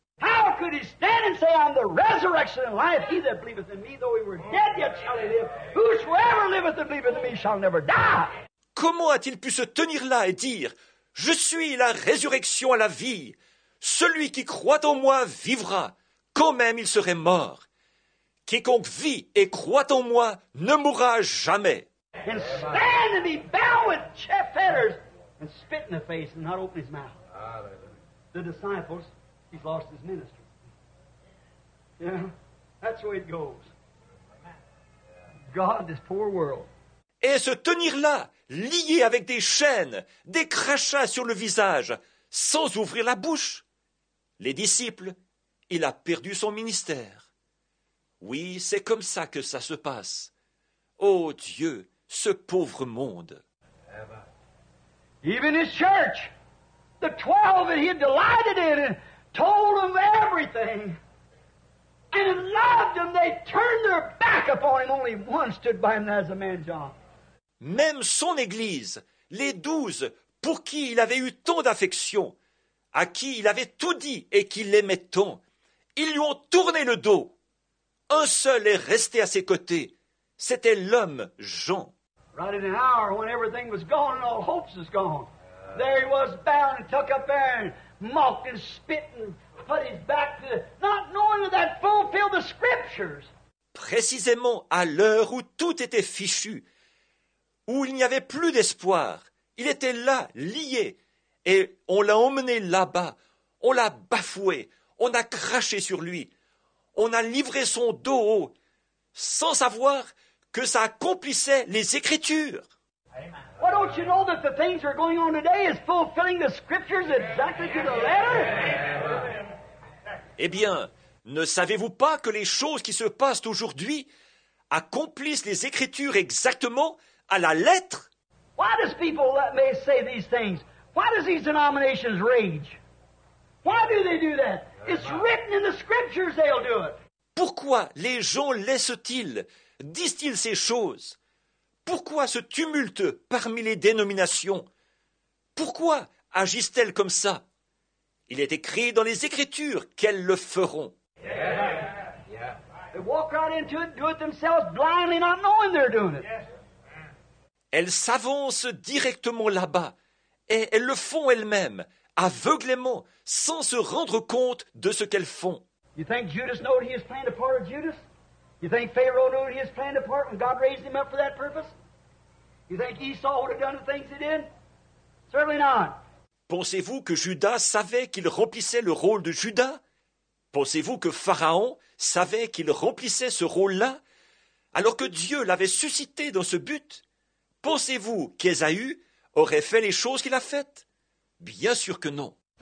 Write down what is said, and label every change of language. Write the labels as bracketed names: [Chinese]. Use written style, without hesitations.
[English] How could he stand and say, I'm the resurrection and life? He that believeth in me, though he were dead, yet shall he live. Whosoever liveth and believeth in me shall never die. [French] Comment a-t-il pu se tenir là et dire, je suis la résurrection à la vie. Celui qui croit en moi vivra, quand même il serait mort. Quiconque vit et croit en moi ne mourra jamais. [English] And stand and be bound with fetters and spit in the face and not open his mouth. The disciples, he's lost his ministry. Yeah, that's the way it goes. God, this poor world. [French] Et se tenir là, lié avec des chaînes, des crachats sur le visage, sans ouvrir la bouche. Les disciples, il a perdu son ministère. Oui, c'est comme ça que ça se passe. Oh Dieu, ce pauvre monde. [English] Even his church, the 12 that he had delighted in, and told them everything, and loved them, they turned their back upon him. Only one stood by him, as a man, John. [French] Même son église, les 12 pour qui il avait eu tant d'affection, à qui il avait tout dit et qui l'aimait tant, ils lui ont tourné le dos. Un seul est resté à ses côtés. C'était l'homme Jean. [English] Right in an hour when everything was gone and all hopes was gone. There he was bound and tucked up there and mocked and spit and put his back to the... Not knowing that fulfilled the scriptures. [French] Précisément à l'heure où tout était fichu, où il n'y avait plus d'espoir. Il était là, lié, et on l'a emmené là-bas. On l'a bafoué, on a craché sur lui. On a livré son dos haut, sans savoir que ça accomplissait les Écritures. [English] Well, don't you know that the things that are going on today is fulfilling the Scriptures exactly to the letter? [French] Eh bien, ne savez-vous pas que les choses qui se passent aujourd'hui accomplissent les Écritures exactement à la lettre? [English] Why does people let me say these things? Why does these denominations rage? Why do they do that? It's written in the scriptures they'll do it. [French] Pourquoi les gens laissent-ils, disent-ils ces choses? Pourquoi ce tumulte parmi les dénominations? Pourquoi agissent-elles comme ça? Il est écrit dans les Écritures qu'elles le feront. [English] They walk right into it, do it themselves blindly, not knowing they're doing it. [French] Elles s'avancent directement là-bas et elles le font elles-mêmes, aveuglément, sans se rendre compte de ce qu'elles font. [English] You think Judas knew he was playing a part of Judas? You think Pharaoh knew he was playing a part when God raised him up for that purpose? You think Esau would have done the things he did? Certainly not. [French] Pensez-vous que Judas savait qu'il remplissait le rôle de Judas? Pensez-vous que Pharaon savait qu'il remplissait ce rôle-là, alors que Dieu l'avait suscité dans ce but? Pensez-vous qu'Ésaü aurait fait les choses qu'il a faites? Bien sûr que non.